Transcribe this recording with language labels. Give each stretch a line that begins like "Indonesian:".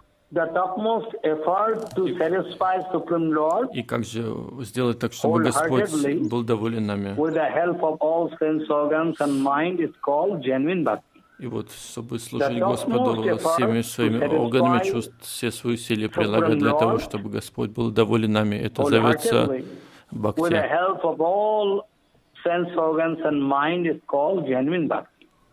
English: The topmost effort to satisfy Supreme Lord.
Russian: И как же сделать так, чтобы Господь был доволен нами?
English: With the help of all sense organs and mind, is called genuine bhakti.
Russian: И вот, чтобы служить Господу всеми своими органами чувств, все свои силы прилагать для того, чтобы Господь был доволен нами, это называется бхакти.
English: With the help of all sense organs and mind, is called genuine bhakti.